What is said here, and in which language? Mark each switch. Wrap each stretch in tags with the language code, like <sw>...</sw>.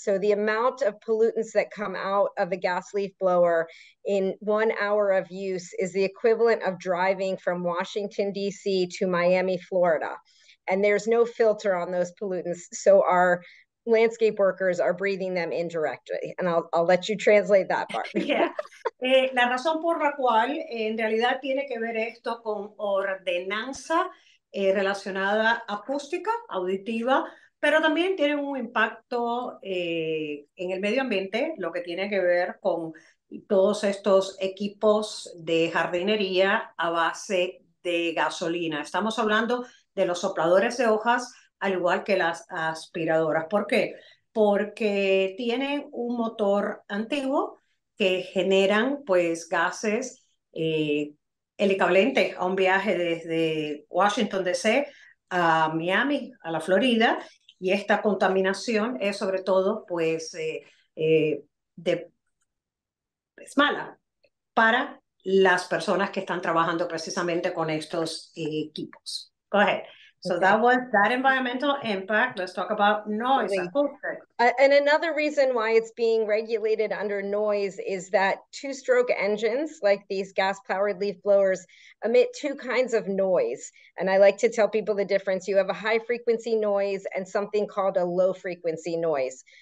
<en>So the amount of pollutants that come out of a gas leaf blower in 1 hour of use is the equivalent of driving from Washington, D.C. to Miami, Florida, and there's no filter on those pollutants. So our landscape workers are breathing them indirectly. And I'll let you translate that part. Yeah.</en> <es>La razón por la cual en realidad tiene que ver esto con ordenanza relacionada acústica, auditiva, pero también tiene un impacto en el medio ambiente, lo que tiene que ver con todos estos equipos de jardinería a base de gasolina. Estamos hablando de los sopladores de hojas, al igual que las aspiradoras. ¿Por qué? Porque tienen un motor antiguo que generan pues gases helicoblentes a un viaje desde Washington D.C. a Miami, a la Florida, y esta contaminación es sobre todo pues es mala para las personas que están trabajando precisamente con estos equipos.</es> <en>Go ahead. So okay. That was that environmental impact. Let's talk about noise. And another reason why it's being regulated under noise is that two-stroke engines, like these gas-powered leaf blowers, emit two kinds of noise. And I like to tell people the difference. You have a high-frequency noise and something called a low-frequency noise.</en>